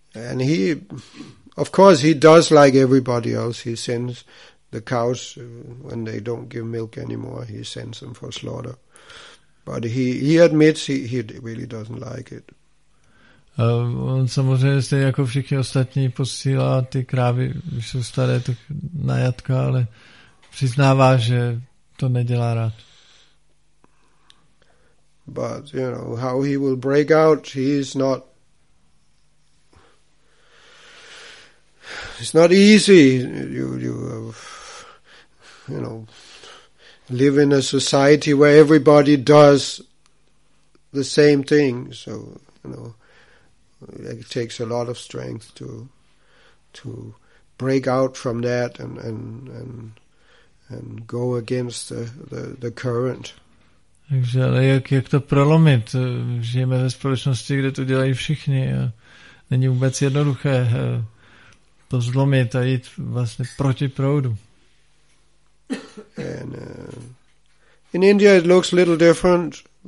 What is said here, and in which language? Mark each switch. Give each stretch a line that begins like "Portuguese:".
English: And he, of course, he does like everybody else. He sends the cows, when they don't give milk anymore, he sends them for slaughter. But he admits he really doesn't like it. On samozřejmě stejně jako všichni ostatní posílá ty krávy, když jsou staré, tak na jatka, ale přiznává, že to nedělá rád. But, how he will break out, it's not easy. You live in a society where everybody does the same thing, so it takes a lot of strength to break out from that and go against the current.
Czech: Takže ale jak to prolomit? Žijeme ve společnosti, kde to dělají všichni, a není vůbec jednoduché to zlomit a jít vlastně proti proudu.
English: And in India it looks a little different.